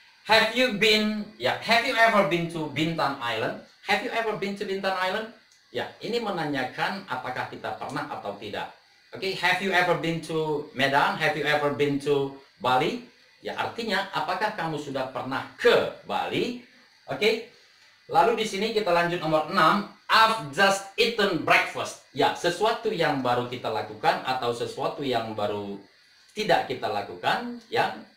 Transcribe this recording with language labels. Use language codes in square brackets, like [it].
[en] Have you been, ya, have you ever been to Bintan Island? Have you ever been to Bintan Island? [id] Ya, ini menanyakan apakah kita pernah atau tidak. [en] Oke, okay, have you ever been to Medan? Have you ever been to Bali? [id] Ya, artinya apakah kamu sudah pernah ke Bali? Oke, okay. Lalu di sini kita lanjut nomor 6. [en] I've just eaten breakfast. [id] Ya, sesuatu yang baru kita lakukan atau sesuatu yang baru tidak kita lakukan, ya.